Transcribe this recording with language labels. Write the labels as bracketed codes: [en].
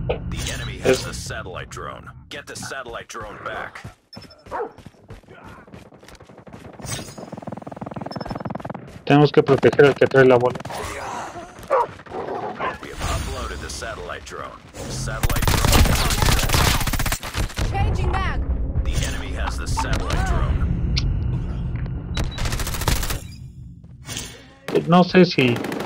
[en] The enemy has the satellite drone. Get the satellite drone back. [es] Tenemos que proteger al que trae la bola. [en] We have uploaded the satellite drone. Satellite drone. Changing mag. The enemy has the satellite drone. [es] No sé si.